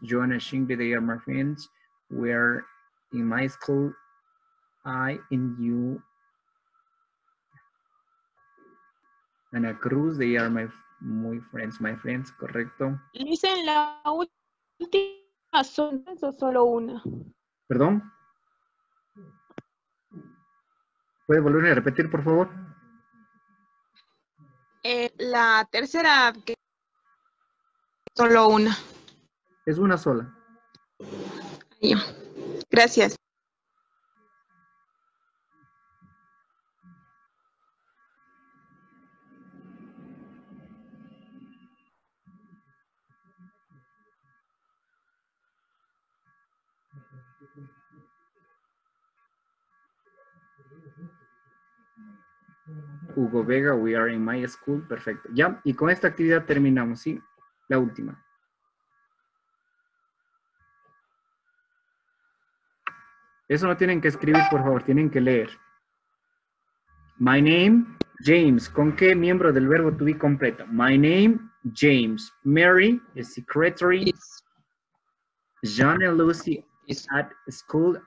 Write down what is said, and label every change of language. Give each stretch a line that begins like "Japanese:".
English: Joanna Shingley, they are my friends. We are in my school. I and you. Ana Cruz, they are my friends,
Spanish: correcto. ¿Dicen la última son o solo una? ¿Perdón? ¿Puede volver a repetir, por favor? La tercera, que solo una. Es una sola. Gracias.
English: Hugo Vega, we are in my school.
Spanish: Perfecto. Ya, y con esta actividad terminamos, ¿sí? La última. Eso no tienen que escribir, por favor, tienen que leer.
English: My name, James.
Spanish: ¿Con qué miembro del verbo to be completo?
English: My name, James. Mary, the secretary. John and Lucy is at school.